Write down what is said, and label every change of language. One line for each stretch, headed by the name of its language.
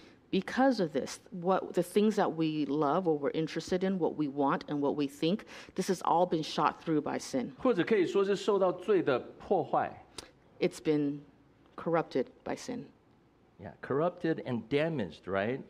English: Because of this, what the things that we love, what we're interested in, what we want, and what we think, this has all been shot through by sin.
Chinese: 或者可以说是受到罪的破坏。
English: It's been corrupted by sin. Yeah, corrupted and damaged, right?